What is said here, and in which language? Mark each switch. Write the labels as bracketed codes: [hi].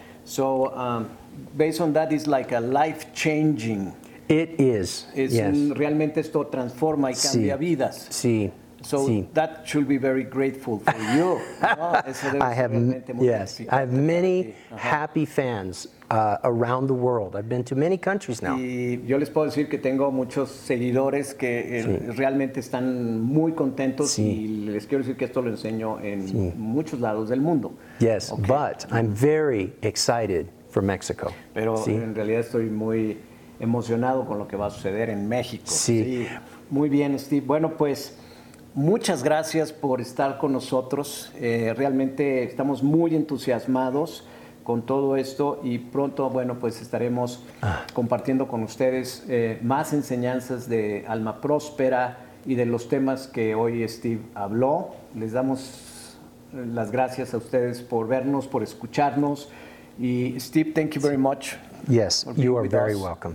[en] So, based on that, it's like a life-changing. It is, yes. [es] Realmente esto transforma y cambia vidas. Sí, [en] so, that should be very grateful for you. I have many happy fans around the world. I've been to many countries now. [es] Y yo les puedo decir que tengo muchos seguidores que realmente están muy contentos. Sí. Y les quiero decir que esto lo enseño en muchos lados del mundo. [en] Yes, okay. But I'm very excited for Mexico. [es] Pero en realidad estoy muy emocionado con lo que va a suceder en México. Sí. Sí. Muy bien, Steve. Bueno, pues muchas gracias por estar con nosotros. Realmente estamos muy entusiasmados con todo esto y pronto, bueno, pues estaremos compartiendo con ustedes más enseñanzas de Alma Próspera y de los temas que hoy Steve habló. Les damos las gracias a ustedes por vernos, por escucharnos. [en] Y Steve, thank you very much. Yes, you are very welcome.